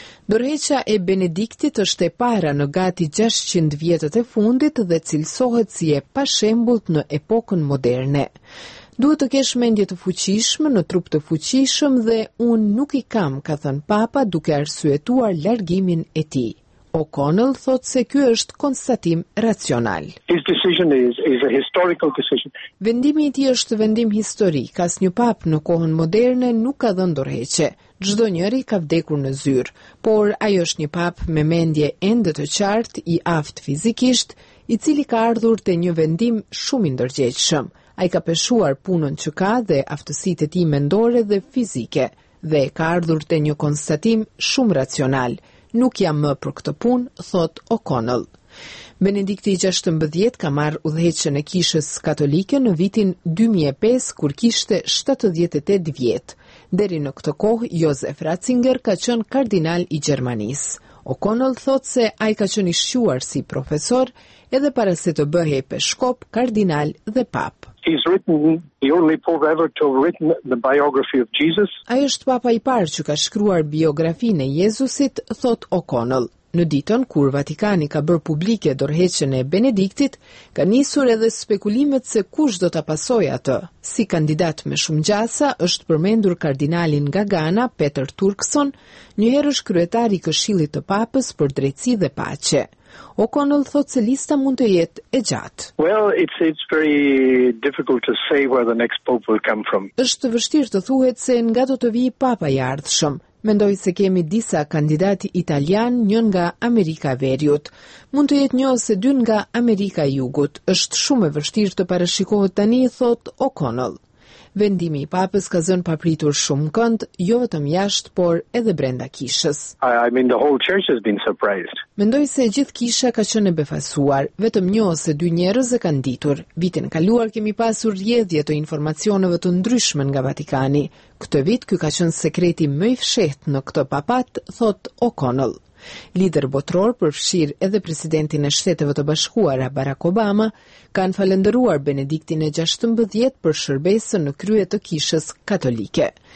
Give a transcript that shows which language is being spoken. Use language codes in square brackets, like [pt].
[sq] Dorëheqja e Benediktit është e para në gati 600 vjetët e fundit dhe cilësohet si e pashembullt në epokën moderne. Duhet të kesh mendje të fuqishme në trup të fuqishëm dhe unë nuk i kam, ka thënë Papa duke arsyetuar largimin e tij. O'Connell thot se ky është konstatim racional. [en] His decision is a historical decision. [sq] Vendimi i tij është vendim historik. Asnjë pap në kohën moderne nuk ka dhënë dorëheqje. Çdo njeri ka vdekur në zyrë, por ai është një pap me mendje ende të qartë, i aft fizikisht, i cili ka ardhur te një vendim shumë i ndërgjegjshëm. Ai ka peshuar punën që ka dhe aftësitë e tij mendore dhe fizike dhe ka ardhur te një konstatim shumë racional. Nuk jam më për këtë punë, thot O'Connell. Benedikti 16 ka marrë udhëheqjen e kishës katolike në vitin 2005, kur kishte 78 vjet. Deri në këtë kohë, Josef Ratzinger ka qenë kardinal i Gjermanisë. O'Connell thot se ai ka qenë i shquar si profesor, edhe para se të bëhej peshkop, kardinal dhe pap. [en] He's written the only pope ever to have written the biography of Jesus. [sq] Ai është papa i parë që ka shkruar biografinë e Jezusit, thot O'Connell. Në ditën kur Vatikani ka bërë publike dorëheqjen e Benediktit, ka nisur edhe spekulimet se kush do ta pasojë atë. Si kandidat me shumë gjasa është përmendur kardinalin nga Ghana, Peter Turkson, njëherë kryetari i Këshillit të Papës për drejtësi dhe paqe. O'Connell thot se lista mund të jetë e gjatë. [en] Well, it's very difficult to say where the next pope will come from. [sq] Është vështirë të thuhet se nga do të vijë papa i ardhshëm. Mendoj se kemi disa kandidati italian, një nga Amerika e Veriut. Mund të jetë një ose dy nga Amerika e Jugut. Është shumë e vështirë të parashikohet tani, thot O'Connell. Vendimi i papës ka zënë papritur shumë kënd, jo vetëm jashtë, por edhe brenda kishës. [en] The whole church has been surprised. [sq] Mendoj se gjithë kisha ka qenë e befasuar, vetëm një ose dy njerëz e kanë ditur. Vitin kaluar kemi pasur rjedhje të informacioneve të ndryshme nga Vatikani. Këtë vit ky ka qenë sekreti më i fshehtë në këtë papat, thot O'Connell. Lider botror, përfshir edhe presidentin e Shteteve të Bashkuara Barack Obama, kanë falendëruar Benediktin e 16 për shërbesën në krye të kishës katolike.